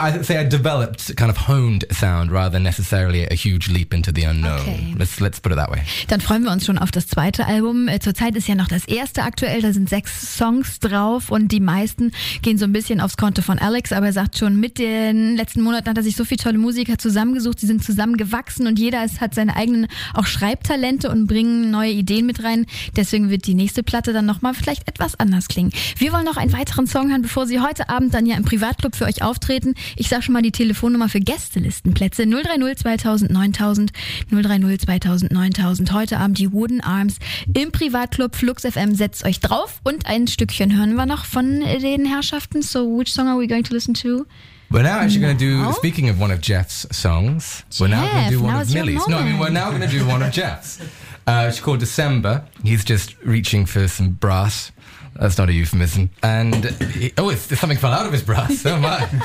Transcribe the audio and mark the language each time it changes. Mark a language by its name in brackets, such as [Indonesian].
[English] I developed kind of honed sound rather than necessarily a huge leap into the unknown. Okay. Let's put it that way. [German] Dann freuen wir uns schon auf das zweite Album. Zurzeit ist ja noch das erste aktuell. Da sind 6 Songs drauf und die meisten gehen so ein bisschen aufs Konto von Alex. Aber er sagt schon, mit den letzten Monaten hat er sich so viele tolle Musiker zusammengesucht. Sie sind zusammengewachsen und jeder hat seine eigenen auch Schreibtalente und bringen neue Ideen mit rein. Deswegen wird die nächste Platte dann nochmal vielleicht etwas anders klingen. Wir wollen noch einen weiteren Song hören, bevor sie heute Abend dann ja im Privatclub für euch auftreten. Ich sage schon mal die Telefonnummer für Gästelistenplätze. 030 2000 9000 030 2000 9000. Heute Abend die Wooden Arms im Privatclub Flux FM. Setzt euch drauf und ein Stückchen hören wir noch von den Herrschaften. [English] So, which song are we going to listen to? We're now actually going to do, speaking of one of Jeff's songs, we're now going to do one of Millie's. No, I mean, we're now going to do one of Jeff's. It's called December. He's just reaching for some brass. That's not a euphemism. And something fell out of his bra. So am I.